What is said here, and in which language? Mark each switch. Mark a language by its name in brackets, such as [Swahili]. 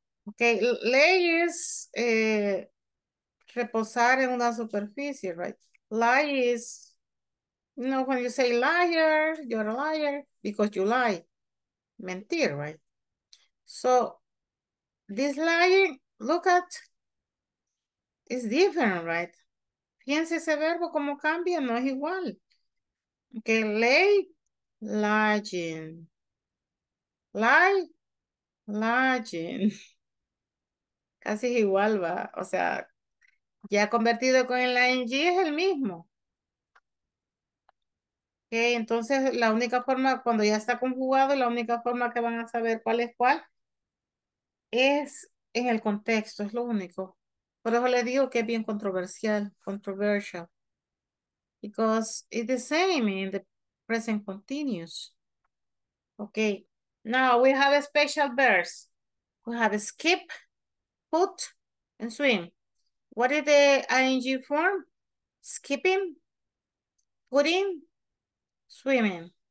[English] Okay, lay is [Spanish] reposar en una superficie, [English] right? Lie is, you know, when you say liar, you're a liar because you lie. [Spanish] Mentir, [English] right? So this lying, look at, is different, right? [Spanish] Fíjense ese verbo como cambia, no es igual. [English] Okay, lay, lying. [Spanish] Lie, lying. Casi es igual, va. O sea, ya convertido con el ing es el mismo. Ok, entonces la única forma, cuando ya está conjugado, la única forma que van a saber cuál es cuál es en el contexto, es lo único. Por eso le digo que es bien controversial, controversial. [English] Because it's the same in the present continuous. Ok, now we have a special verse. We have a skip, put, and swim. What is the ing form? Skipping, putting, swimming.